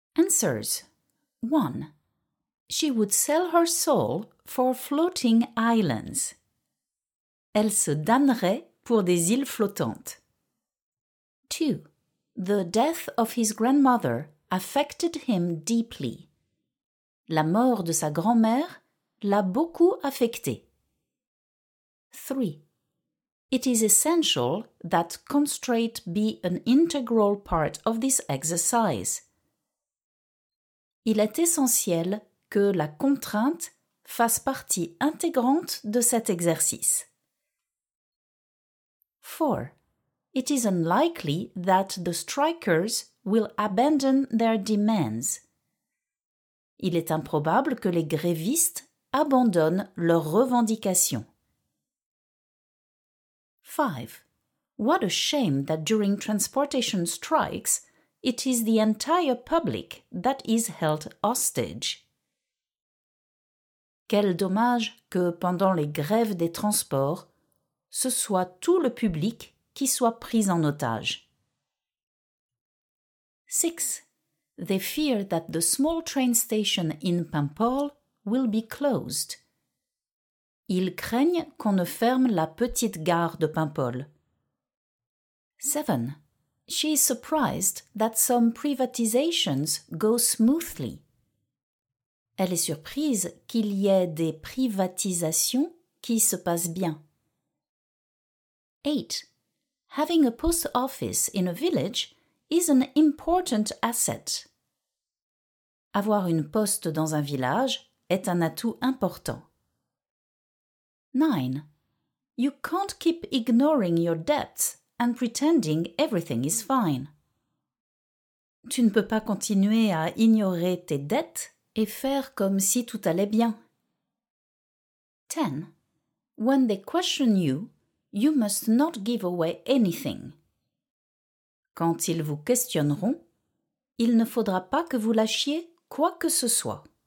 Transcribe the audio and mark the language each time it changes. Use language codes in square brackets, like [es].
[en] 1. She would sell her soul for floating islands. [fr] Elle se damnerait pour des îles flottantes. 2. [en] The death of his grandmother affected him deeply. [fr] La mort de sa grand-mère l'a beaucoup affecté. 3. [en] It is essential that concentrate be an integral part of this exercise. [fr] Il est essentiel que la contrainte fasse partie intégrante de cet exercice. 4. [en] It is unlikely that the strikers will abandon their demands. [fr] Il est improbable que les grévistes abandonnent leurs revendications. 5. [en] What a shame that during transportation strikes, it is the entire public that is held hostage. [fr] Quel dommage que pendant les grèves des transports, ce soit tout le public qui soit pris en otage. 6. [en] They fear that the small train station in Paimpol will be closed. [fr] Ils craignent qu'on ne ferme la petite gare de Paimpol. 7. [en] She is surprised that some privatizations go smoothly. [fr] Elle est surprise qu'il y ait des privatisations qui se passent bien. 8. [en] Having a post office in a village is an important asset. [fr] Avoir une poste dans un village est un atout important. 9. [en] You can't keep ignoring your debts and pretending everything is fine. [fr] Tu ne peux pas continuer à ignorer tes dettes et faire comme si tout allait bien. 10. [en] When they question you, you must not give away anything. [fr] Quand ils vous questionneront, il ne faudra pas que vous lâchiez quoi que ce soit.